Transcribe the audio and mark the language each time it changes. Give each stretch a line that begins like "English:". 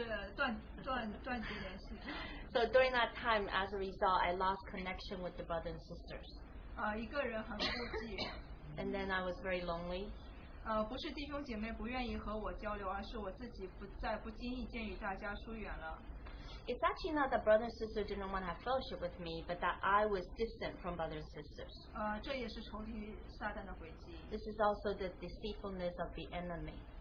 Chinese: 接着在一段时间里面，就与弟兄姐妹失联了，就是断绝联系。
English: So during that time, as a result, I lost connection with the brothers and sisters.
Chinese: 一个人很孤寂。
English: And then I was very lonely.
Chinese: 不是弟兄姐妹不愿意和我交流，而是我自己不经意间与大家疏远了。
English: It's actually not that brothers and sisters didn't want to have fellowship with me, but that I was distant from brothers and sisters.
Chinese: 这也是仇敌撒旦的诡计。
English: This is also the deceitfulness of the enemy.